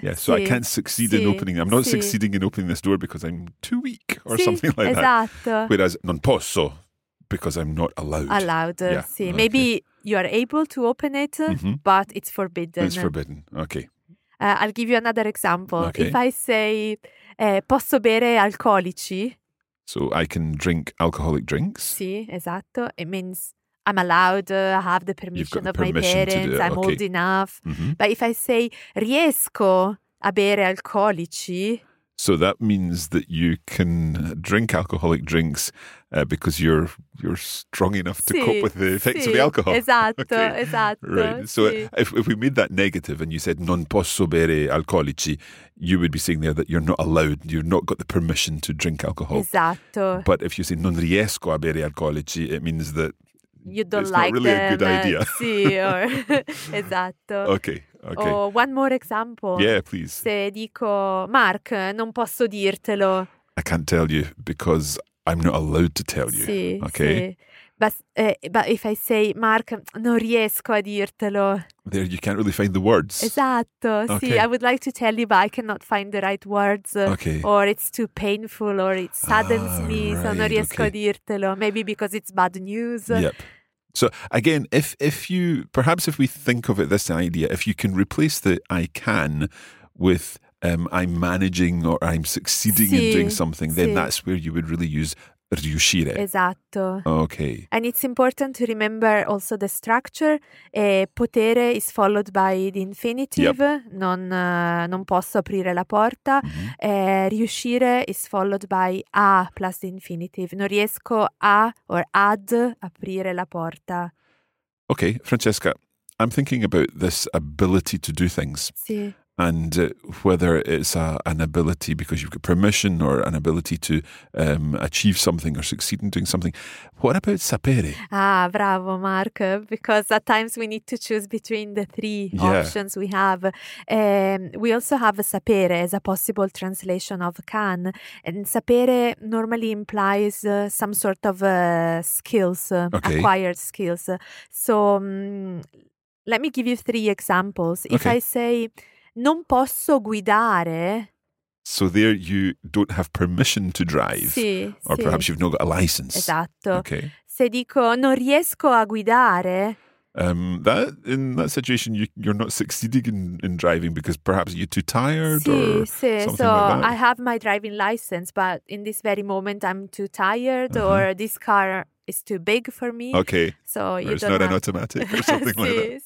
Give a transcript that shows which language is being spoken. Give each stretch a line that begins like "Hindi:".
English: Yeah, so I can't succeed in opening. I'm not succeeding in opening this door because I'm too weak or something like
Italian: esatto.
English: That. Whereas
Italian: non posso
English: because I'm not allowed. Allowed. Yeah.
Italian: Sì.
English: Okay. Maybe you are able to open it, mm-hmm. but it's forbidden. It's forbidden. Okay. I'll give you another example. Okay. If I say
Italian: posso bere alcolici.
English: So I can drink alcoholic drinks.
Italian: Sì, esatto.
English: It means I'm allowed, I have the permission of permission my parents, okay. I'm old enough. Mm-hmm. But if I say,
Italian: riesco a bere alcolici.
English: So that means that you can drink alcoholic drinks because you're strong enough to cope with the effects of the alcohol.
Italian: Esatto, okay. esatto.
English: Right. So if we made that negative and you said,
Italian: non posso bere alcolici,
English: you would be saying there that you're not allowed, you've not got the permission to drink alcohol.
Italian: Esatto.
English: But if you say,
Italian: non riesco a bere alcolici,
English: it means that you don't it's like not really them. A good idea.
Italian: esatto.
English: Okay. Oh, one more example. Yeah, please.
Italian: Se dico, Mark, non posso dirtelo.
English: I can't tell you because I'm not allowed to tell you.
Italian: Sì,
English: okay.
Italian: Sì.
English: But if I say Mark,
Italian: non riesco a dirtelo.
English: There, you can't really find the words.
Italian: Esatto. Okay.
English: See, I would like to tell you, but I cannot find the right words. Okay. Or it's too painful, or it saddens me. Right. So
Italian: non riesco a dirtelo.
English: Maybe because it's bad news. Yep. So again, if we think of it this idea, if you can replace the I can with I'm managing or I'm succeeding in doing something, then that's where you would really use riuscire.
Italian: Esatto.
English: Okay. And it's important to remember also the structure. Potere is followed by the infinitive. Yep.
Italian: Non posso aprire la porta. Mm-hmm.
English: Riuscire is followed by a plus the infinitive.
Italian: Non riesco a or ad aprire la porta.
English: Okay, Francesca, I'm thinking about this ability to do things.
Italian: Sì.
English: And whether it's an ability because you've got permission or an ability to achieve something or succeed in doing something. What about sapere?
Italian: Ah, bravo, Mark.
English: Because at times we need to choose between the three options we have. We also have sapere as a possible translation of can. And sapere normally implies some sort of skills, okay. Acquired skills. So let me give you three examples. If okay.
Italian: I say... Non posso guidare.
English: So there you don't have permission to drive.
Italian: Sì,
English: or perhaps you've not got a license.
Italian: Esatto.
English: Okay.
Italian: Se dico non riesco a guidare.
English: That in that situation you're not succeeding in driving because perhaps you're too tired or something so like that. I have my driving license, but in this very moment I'm too tired or this car is too big for me. Okay. So or it's not an automatic or something like that.